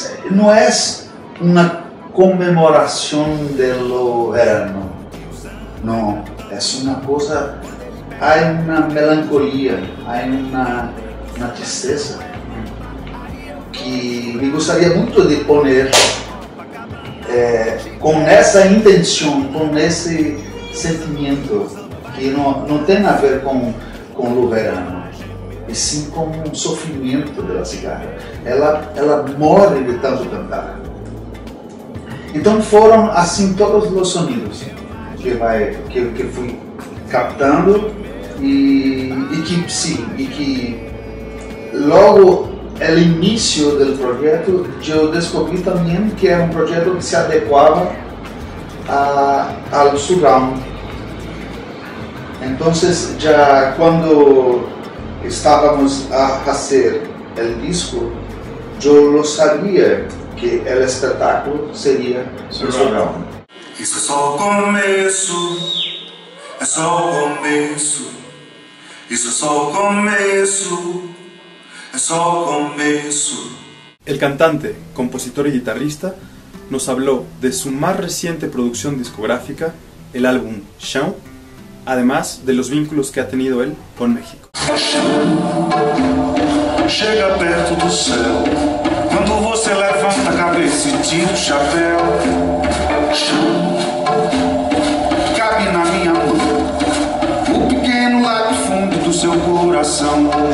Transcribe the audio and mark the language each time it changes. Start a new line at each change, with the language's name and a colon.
Spanish: No es una conmemoración de lo verano, no, es una cosa, hay una melancolía, hay una tristeza que me gustaría mucho de poner con esa intención, con ese sentimiento.
Portuguese: Que não tem a ver com o verano, e sim com o sofrimento da cigarra. Ela morre de tanto cantar. Então foram assim todos os sonidos que fui captando e que, sim, e que logo no início do projeto eu descobri também que era um projeto que se adequava ao surround.
Spanish: Entonces, ya cuando estábamos a hacer el disco, yo lo sabía que el espectáculo sería el surround. Esto es solo comienzo, es solo comienzo. Esto es solo comienzo, es solo comienzo. El cantante, compositor y guitarrista nos habló de su más reciente producción discográfica, el álbum Chão, además de los vínculos que ha tenido él con México.
Portuguese: Chega perto do céu. Quando você levanta a cabeça e tira o chapéu. Cabe na minha mão. O pequeno lá do fundo do seu coração.